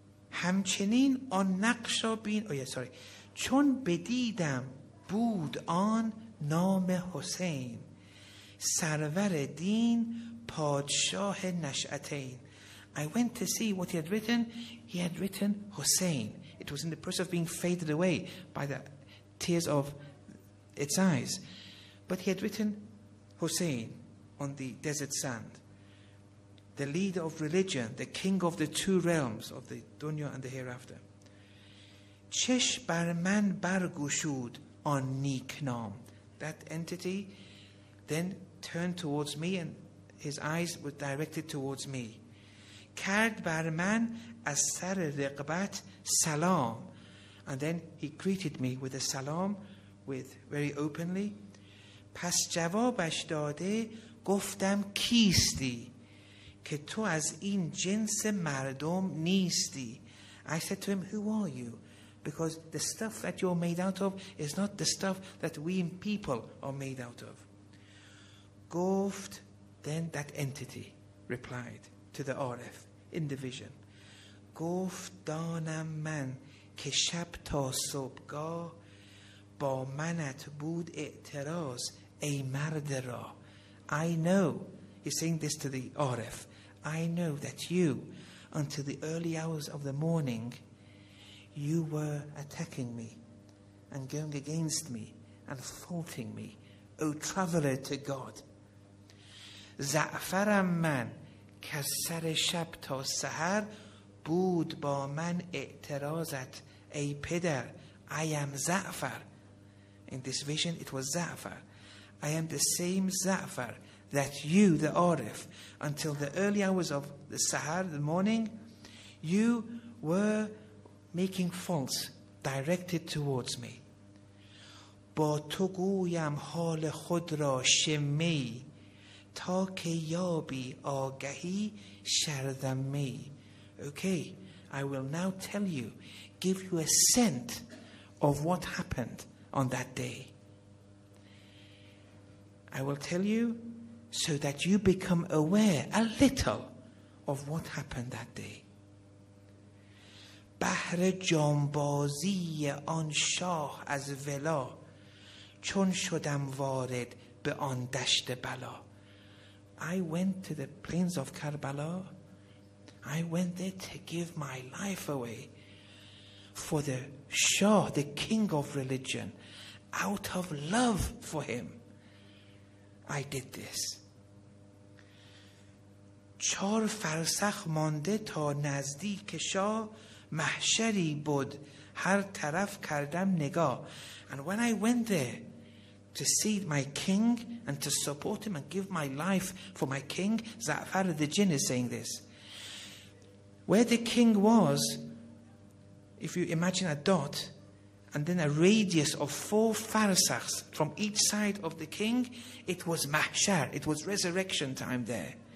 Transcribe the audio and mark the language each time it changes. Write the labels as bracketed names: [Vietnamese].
[Persian] همچنین آن نقش را بین چون بدیدم بود آن نام حسین سرور دین پادشاه نشأتین. [English] I went to see what he had written. He had written Hussein. It was in the process of being faded away by the tears of its eyes. But he had written Hussein on the desert sand. The leader of religion, the king of the two realms, of the dunya and the hereafter. [Persian] چش بر من برگشود آن نیک نام. [English] That entity then turned towards me and his eyes were directed towards me. [Persian] کرد بر من از سر رقبت سلام. [English] And then he greeted me with a salam, with very openly. [Persian] پس جوابش داده گفتم کیستی که تو از این جنس مردم نیستی. [English] I said to him, who are you? Because the stuff that you're made out of is not the stuff that we people are made out of. [Persian] گفت, [English] then that entity replied to the Arif in the vision. [Persian] گفت دانم من که شب تا صبحگاه با منت بود اعتراض ای مرد را. [English] I know, he's saying this to the Arif, I know that you, until the early hours of the morning, you were attacking me and going against me and faulting me, O traveler to God. [Persian] زعفرم من که از سر شب تا سحر بود با من اعتراضت ای پدر. [English] I am Zafar. In this vision it was Zafar. I am the same Zafar that you, the Arif, until the early hours of the sahar, the morning, you were making faults directed towards me. [Persian] با تو گویم حال خود را شمی تا که یابی آگهی شردمی. [English] Okay, I will now tell you, give you a scent of what happened on that day. I will tell you so that you become aware a little of what happened that day. [Persian] بهر جانبازی آن شاه از ولا چون شدم وارد به آن دشت بلا. [English] I went to the plains of Karbala. I went there to give my life away for the Shah, the king of religion, out of love for him. I did this. [Persian] چار فرسخ مانده تا نزدیک شا محشری بود هر طرف کردم نگاه. [English] And when I went there to see my king and to support him and give my life for my king, Za'far the jinn is saying this. Where the king was, if you imagine a dot and then a radius of four farsakhs from each side of the king, it was mahshar, it was resurrection time there.